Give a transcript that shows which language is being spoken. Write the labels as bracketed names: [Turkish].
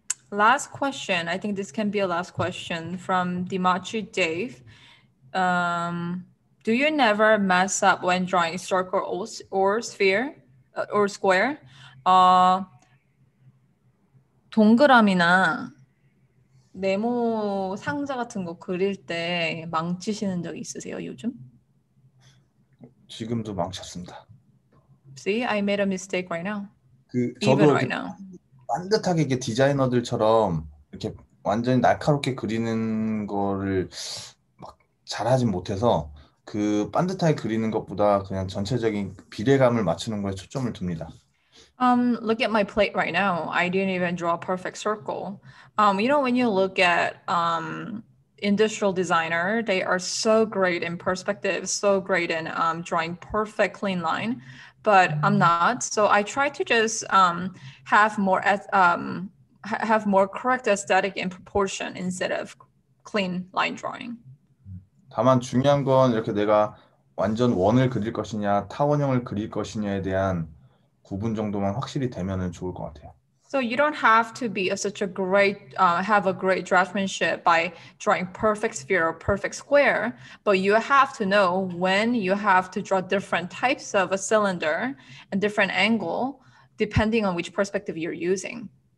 [English] Last question, I think this can be a last question from Dimachi Dave. Do you never mess up when drawing circle or sphere or square? [Korean] 동그라미나 네모 상자 같은 거 그릴 때 망치시는 적 있으세요, 요즘? 지금도 망쳤습니다. [English] See, I made a mistake right now. [Korean] 저도 [English] right now. [Korean] 반듯하게 이렇게 디자이너들처럼 이렇게 완전히 날카롭게 그리는 거를 잘하진 못해서 그 반듯하게 그리는 것보다 그냥 전체적인 비례감을 맞추는 거에 초점을 둡니다. [English] Look at my plate right now. I didn't even draw a perfect circle. You know, when you look at industrial designer, they are so great in perspective, so great in drawing perfect clean line, but I'm not. So I try to just have more correct aesthetic in proportion instead of clean line drawing. [Korean] 다만 중요한 건 이렇게 내가 완전 원을 그릴 것이냐 타원형을 그릴 것이냐에 대한 구분 정도만 확실히 되면은 좋을 것 같아요. [English] So you don't have to be a, such a great, have a great draftsmanship by drawing perfect sphere or perfect square, but you have to know when you have to draw different types of a cylinder and different angle, depending on which perspective you're using.